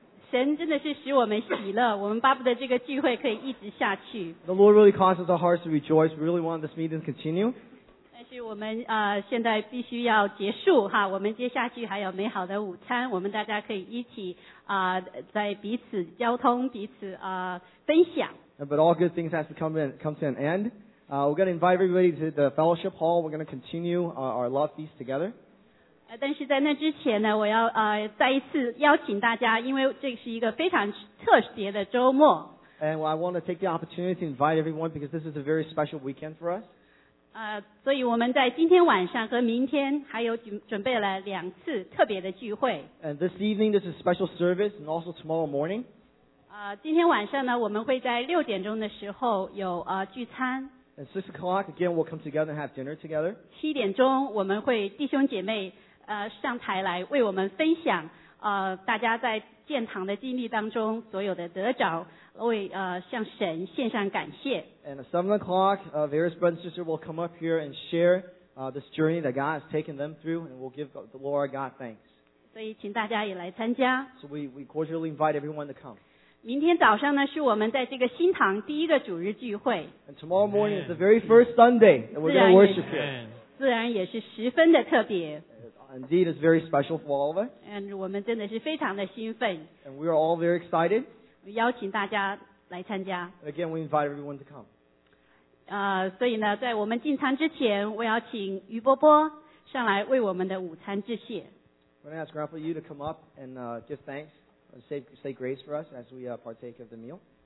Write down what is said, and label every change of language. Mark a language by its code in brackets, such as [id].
[zh] 神真的是使我们喜乐，我们巴不得这个聚会可以一直下去。 [en] The Lord really causes our hearts to rejoice. We really want this meeting to continue. [zh] 但是我们现在必须要结束哈，我们接下去还有美好的午餐，我们大家可以一起在彼此交通，彼此分享。 [en] But all good things have to come to an end. We're going to invite everybody to the fellowship hall. We're going to continue our love feast together. [zh] 但是在那之前呢，我要再一次邀请大家，因为这是一个非常特别的周末。 [en] And I want to take the opportunity to invite everyone because this is a very special weekend for us. [zh] 所以我们在今天晚上和明天还有准备了两次特别的聚会。 [en] And this evening, this is a special service, and also tomorrow morning. [zh] 今天晚上呢，我们会在六点钟的时候有聚餐。 [en] At 6 o'clock again, we'll come together and have dinner together. [zh] 七点钟，我们会弟兄姐妹上台来为我们分享大家在建堂的经历当中所有的得着，为向神献上感谢。 [en] And at 7 o'clock, various brothers and sisters will come up here and share this journey that God has taken them through, and we'll give the Lord our God thanks. [zh] 所以请大家也来参加。 [en] So we cordially invite everyone to come. [zh] 明天早上呢，是我们在这个新堂第一个主日聚会。 [en] And tomorrow morning is the very first Sunday that we're going to worship here. [zh] 自然也是十分的特别。 [en] Indeed, it's very special for all of us. [zh] And 我们真的是非常的兴奋。 [en] And we are all very excited. [zh] 邀请大家来参加。 [en] Again, we invite everyone to come. [zh] 所以呢，在我们进餐之前，我要请于波波上来为我们的午餐致谢。 [en] I'm going to ask Grandpa Yu to come up and give thanks. Say grace for us as we partake of the meal.